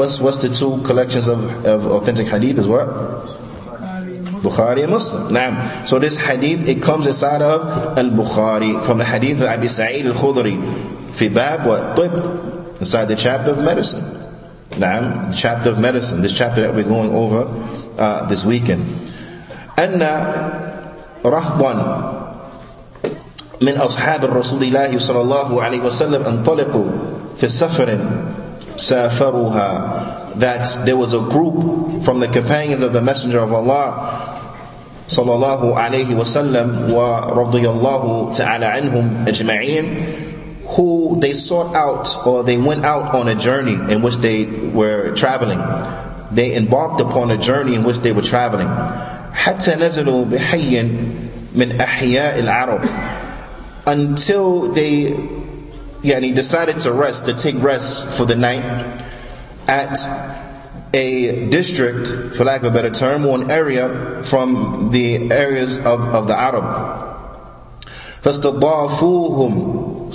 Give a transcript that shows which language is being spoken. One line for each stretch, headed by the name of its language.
English: What's the two collections of authentic hadith as well? Bukhari and Muslim. Na'am. So this hadith, it comes inside of Al-Bukhari, from the hadith of Abi Sa'id Al-Khudri.
Arabic: Fi bab wa tib,
English: inside the chapter of medicine. Na'am, chapter of medicine. This chapter that we're going over this weekend.
Arabic: Anna rahban من أصحاب الرسول الله صلى الله عليه وسلم انطلقوا في السفر سافروها.
English: That there was a group from the companions of the Messenger of Allah
Arabic: صلى الله عليه وسلم ورضي الله تعالى عنهم أجمعين,
English: who they sought out, or they went out on a journey in which they were traveling. They embarked upon a journey in which they were traveling.
Arabic: حتى نزلوا بحي من أحياء العرب.
English: Until they decided to rest, to take rest for the night at a district, for lack of a better term, or an area from the areas of the Arab.
Arabic: فَاسْتَضَافُوهُمْ.